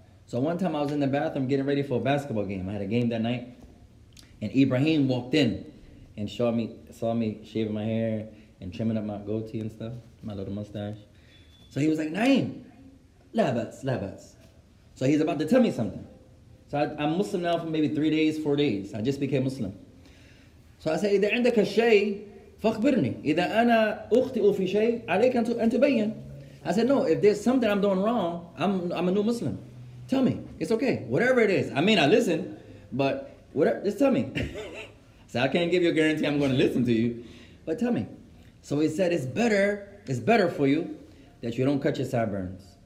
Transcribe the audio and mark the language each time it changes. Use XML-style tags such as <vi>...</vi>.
<en>So one time I was in the bathroom getting ready for a basketball game. I had a game that night, and Ibrahim walked in and saw me shaving my hair and trimming up my goatee and stuff, my little mustache. So he was like, Naeem, labats. So he's about to tell me something. So I'm Muslim now for maybe 3 days, 4 days. I just became Muslim.</en> <ar>So I said, إذا عندك الشيء فاخبرني إذا أنا أخطئ في شيء عليك أن تبين.</ar> <en>I said, no, if there's something I'm doing wrong, I'm a new Muslim. Tell me, it's okay, whatever it is. I mean, I listen, but whatever, just tell me. So I can't give you a guarantee I'm going to listen to you, but tell me. So he said, it's better for you that you don't cut your sideburns.</en>